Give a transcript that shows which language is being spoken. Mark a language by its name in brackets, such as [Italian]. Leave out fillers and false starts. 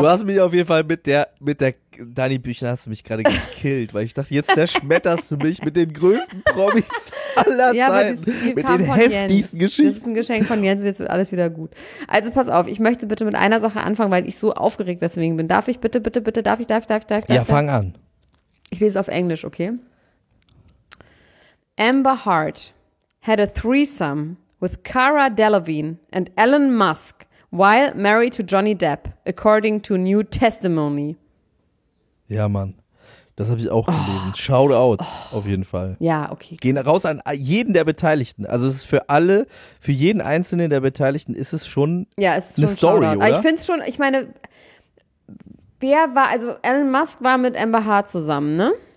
[German] Du hast mich auf jeden Fall mit der Dani Büchner hast du mich gerade gekillt, weil ich dachte, jetzt zerschmetterst du mich mit den größten Promis aller Zeiten. Ja, mit den heftigsten Geschichten. Das ist ein Geschenk von Jens, jetzt wird alles wieder gut. Also pass auf, ich möchte bitte mit einer Sache anfangen, weil ich so aufgeregt deswegen bin. Darf ich bitte, bitte, bitte, darf ich? Ja, fang an. Ich lese auf Englisch, okay? [English] Amber Hart had a threesome with Cara Delevingne and Elon Musk while married to Johnny Depp, according to New Testimony. [German] Ja, Mann. Das habe ich auch gelesen. Shoutout auf jeden Fall. Ja, okay. Gehen raus an jeden der Beteiligten. Also es ist für alle, für jeden Einzelnen der Beteiligten ist es schon eine Story, oder? Ja, es ist schon Shoutout. Ich finde es schon, ich meine, Elon Musk war mit Amber Hart zusammen, ne?